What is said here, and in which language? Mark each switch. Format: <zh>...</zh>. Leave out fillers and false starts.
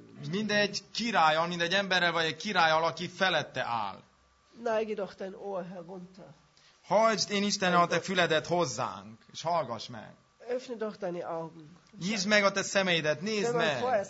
<hu>Mindegy királlyal, mindegy emberrel, vagy egy királlyal, aki felette áll.</hu> <de>Neige doch dein Ohr herunter.</de> <hu>Hajtsd, én Istenem, a te füledet hozzánk, és hallgass meg.</hu> <de>Öffne doch deine Augen.</de> <hu>Nyisd meg a te szemeidet, nézd meg.</hu>